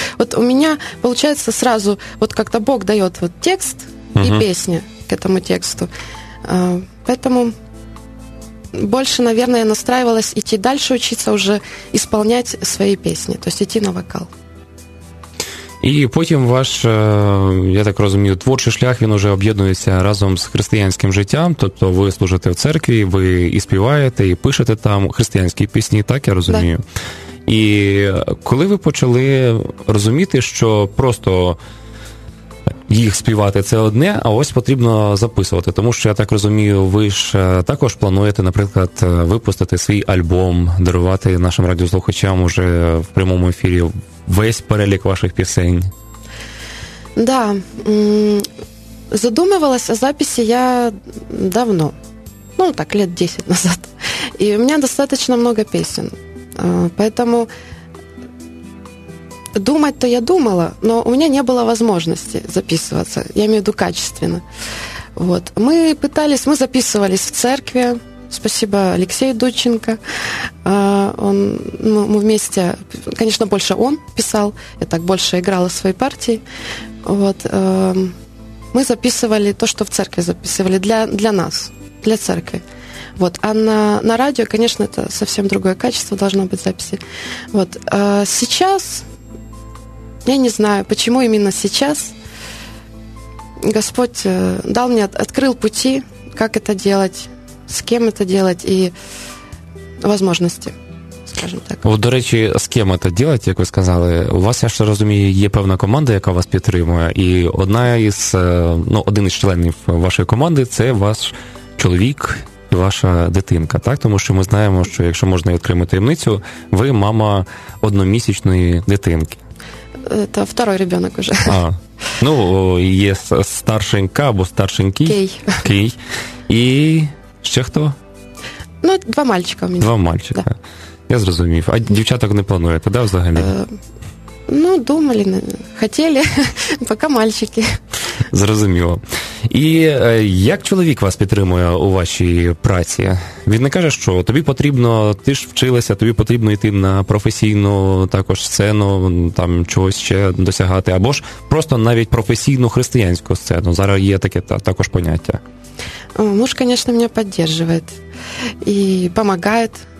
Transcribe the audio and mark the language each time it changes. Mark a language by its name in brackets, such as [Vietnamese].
[Russian] Вот у меня получается сразу, вот как-то Бог дает вот текст и песня к этому тексту. Поэтому больше, наверное, я настраивалась идти дальше учиться уже исполнять свои песни, то есть идти на вокал. [Ukrainian] І потім ваш, я так розумію, творчий шлях, він уже об'єднується разом з християнським життям, тобто ви служите в церкві, ви і співаєте, і пишете там християнські пісні, так я розумію. [Russian] Да. [Ukrainian] І коли ви почали розуміти, що просто їх співати – це одне, а ось потрібно записувати, тому що, я так розумію, ви ж також плануєте, наприклад, випустити свій альбом, дарувати нашим радіослухачам уже в прямому ефірі весь перелік ваших пісень. Так. [Russian] Да, [Ukrainian] задумувалася записи я давно. Ну, так, [Russian] лет 10 назад. [Ukrainian] І у мене достатньо багато пісень. Тому думати-то я думала, але у мене не було можливості записуватися. Я маю в виду [Russian] качественно. Вот. [Ukrainian] Ми записувались в церкві. [Russian] Спасибо Алексею Дудченко. Мы вместе, конечно, больше он писал, я так больше играла в своей партии. Вот. мы записывали то, что в церкви записывали для нас, для церкви. Вот. А на радио, конечно, это совсем другое качество должно быть записи. Вот. А сейчас, я не знаю, почему именно сейчас Господь дал мне, открыл пути, как это делать, с кем это делать и возможности. Скажем так. [Ukrainian] От, до речі, з ким це робити, як ви сказали, у вас, я ж розумію, є певна команда, яка вас підтримує, і одна із, ну, один із членів вашої команди – це ваш чоловік і ваша дитинка, так? Тому що ми знаємо, що якщо можна відкрити таємницю, ви мама одномісячної дитинки. Це другий [Russian] ребенок [Ukrainian] вже. А, ну, є старшенька або старшенький. Кей. Кей. І ще хто? Ну, [Russian] два мальчика [Ukrainian] у мене. [Russian] Два мальчика. Да. [Ukrainian] Я зрозумів. А дівчаток не плануєте, да, взагалі? Ну, думали, хотіли, поки [Russian] мальчики. [Ukrainian] Зрозуміло. І як чоловік вас підтримує у вашій праці? Він не каже, що тобі потрібно, ти ж вчилася, тобі потрібно йти на професійну також сцену, там чогось ще досягати, або ж просто навіть професійну християнську сцену. Зараз є таке також поняття. [Russian] Муж, конечно, меня поддерживает и помогает.